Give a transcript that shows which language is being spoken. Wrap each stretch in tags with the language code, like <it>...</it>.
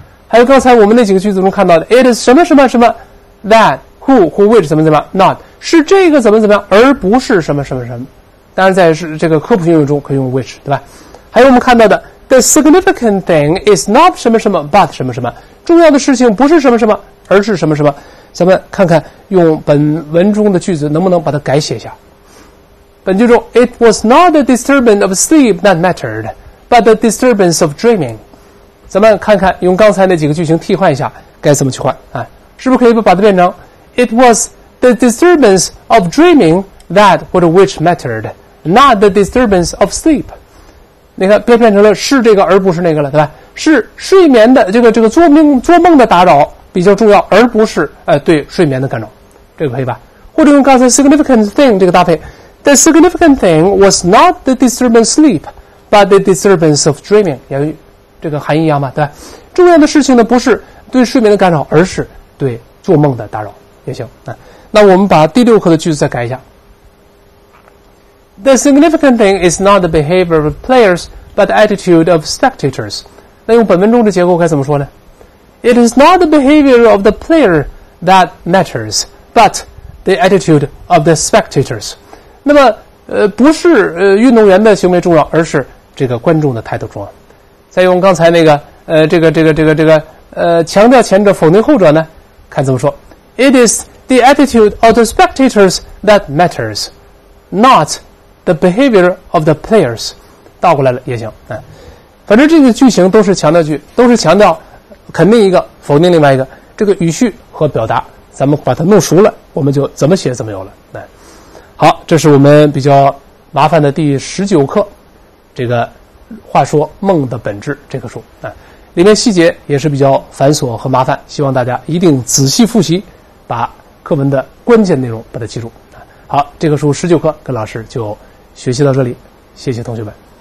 <zh>还有刚才我们那几个句子中看到的 it is 什么什么什么 that who which 怎么怎么 not 是这个怎么怎么样，而不是什么什么什么，当然在这个科普应用中可以用 which， 对吧？还有我们看到的</zh> <en>the significant thing is not</en> <zh>什么什么 but 什么什么，重要的事情不是什么什么而是什么什么。咱们看看用本文中的句子能不能把它改写一下。</zh> <en>本句中 it was not the disturbance of sleep that mattered but the disturbance of dreaming，</en> <zh>咱们看看用刚才那几个句型替换一下该怎么去换、啊、是不是可以把它变成</zh> <en>it was the disturbance of dreamingThat or which mattered, not the disturbance of sleep.</en> <zh>你看，变成了是这个而不是那个了，对吧？是睡眠的这个做梦的打扰比较重要，而不是对睡眠的干扰。这个可以吧？或者用刚才 significant thing 这个搭配。</zh> <en>The significant thing was not the disturbance sleep, but the disturbance of dreaming.</en> <zh>也这个含义一样嘛，对吧？重要的事情呢，不是对睡眠的干扰，而是对做梦的打扰，也行啊。那我们把第六课的句子再改一下。</zh> <en>The significant thing is not the behavior of players, but the attitude of spectators.</en> <zh>那用本文中的结构该怎么说呢？</zh> <en>It is not the behavior of the player that matters, but the attitude of the spectators.</en> <zh>那么不是运动员的行为重要，而是这个观众的态度重要。再用刚才那个强调前者否定后者呢，看怎么说。</zh> <en>It is the attitude of the spectators that matters, not the behavior of the players.</en> <zh>倒过来了也行、反正这个句型都是强调句，都是强调肯定一个否定另外一个，这个语序和表达咱们把它弄熟了，我们就怎么写怎么有了、好，这是我们比较麻烦的第19课，这个话说梦的本质这个书、里面细节也是比较繁琐和麻烦，希望大家一定仔细复习，把课文的关键内容把它记住。好，这个书19课跟老师就学习到这里，谢谢同学们。</zh>